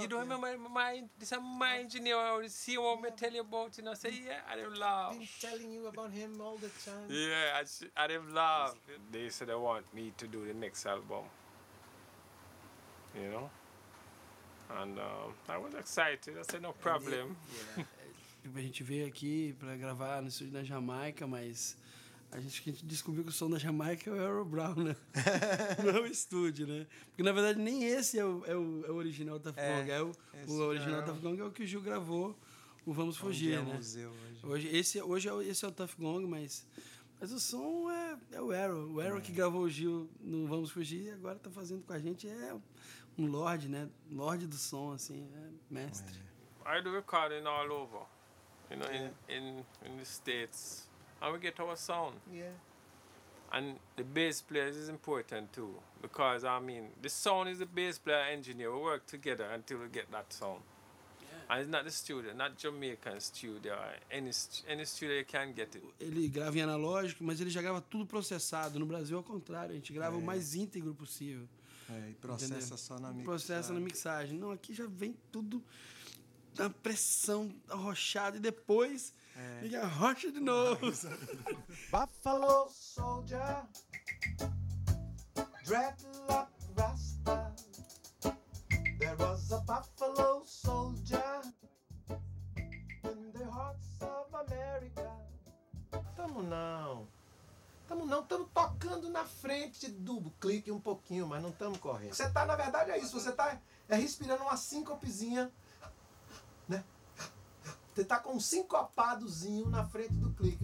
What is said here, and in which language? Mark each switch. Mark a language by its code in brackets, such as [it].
[en] You don't remember my engineer, or see what I tell you about, you know? Say, yeah, I didn't laugh. Been telling you about him all the time. Yeah, I didn't laugh. They said they want me to do the next album, you know? And I was excited. I said, no problem. [pt] A gente veio aqui para gravar no estúdio na Jamaica, mas a gente descobriu que o som da Jamaica é o Errol Brown, né? Não é o estúdio, né? Porque, na verdade, nem esse é o original da Fugong. O original da Fugong é o que o Gil gravou, o Vamos Fugir, é né? Museu hoje. Hoje é o Tuff Gong, mas o som é o Errol. O Errol que gravou o Gil no Vamos Fugir e agora está fazendo com a gente. É um lorde, né? Lorde do som, assim, é mestre. [en] I do recording all over. You know, in the States. And we get our sound. Yeah. And the bass player is important too. Because, I mean, the sound is the bass player engineer. We work together until we get that sound. Yeah. And it's not the studio, not Jamaican studio. Any studio you can get it. [pt] Ele grava em analógico, mas ele já grava tudo processado. No Brasil, ao contrário. A gente grava o mais íntegro possível. E processa, entendeu? Só na mixagem. Processa na mixagem. Não, aqui já vem tudo... Dá uma pressão arrochada e depois ele arrocha de novo. [en] Buffalo Soldier, dreadlock rasta. There was a Buffalo Soldier in the hearts of America. [pt] Tamo não, tamo tocando na frente do clique um pouquinho, mas não tamo correndo. Você tá, na verdade, é isso, você tá respirando uma síncopezinha. Você tá com um sincopadozinho na frente do clique.